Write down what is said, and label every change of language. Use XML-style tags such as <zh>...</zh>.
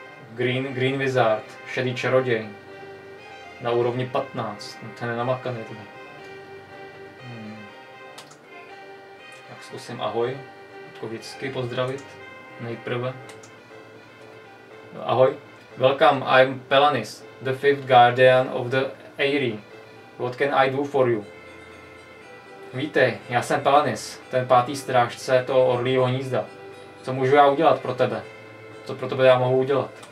<cs>Green Wizard, šedý čaroděj. Na úrovni 15, no, ten je namakaný teda. Tak zkusím ahoj, odkovicky pozdravit. Nejprve. No, ahoj.</cs> <en>Welcome, I'm Pelanis, the fifth guardian of the Eyry. What can I do for you?</en> <cs>Vítej, já jsem Pelanis, ten pátý strážce toho orlího hnízda. Co můžu já udělat pro tebe? Co pro tebe já mohu udělat?</cs>